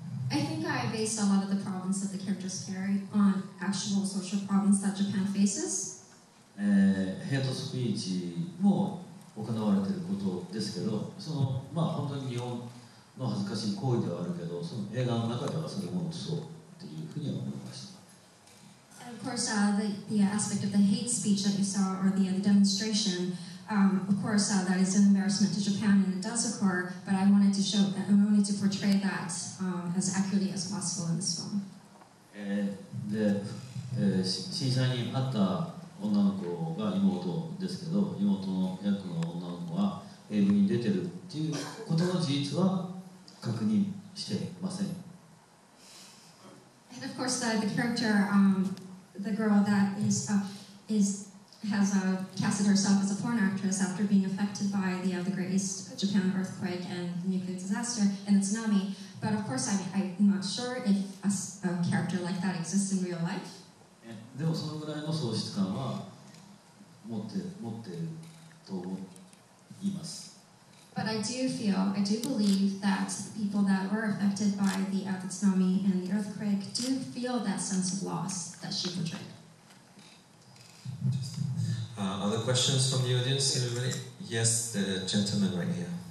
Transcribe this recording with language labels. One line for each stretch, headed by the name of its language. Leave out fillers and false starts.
English: I think I based a lot of the problems that the characters carry on actual social problems that Japan faces.
Japanese: Hate speech も行われていることですけど、その、まあ、本当に日本の恥ずかしい行為ではあるけど、その映画の中ではそれもそうというふうには思いました。
English: And of course, the aspect of the hate speech that you saw or the demonstration, of course, that is an embarrassment to Japan and it does occur, but I wanted to show that, I wanted to portray that as accurately as possible in this film.
Japanese: で、震災にあった女の子が妹ですけど、妹の役の女の子は AV に出てるっていうことの事実は確認してません。
English: And of course, the character, the girl that is, has casted herself as a porn actress after being affected by the Great East Japan earthquake and nuclear disaster and the tsunami. But of course, I'm not sure if a character like that exists in real life.
Japanese: でもそのぐらいの喪失感は持っていると思います。
English: But I do believe that people that were affected by the tsunami and the earthquake do feel that sense of loss that she portrayed. Other questions from the audience? Anybody? Yes, the gentleman right here.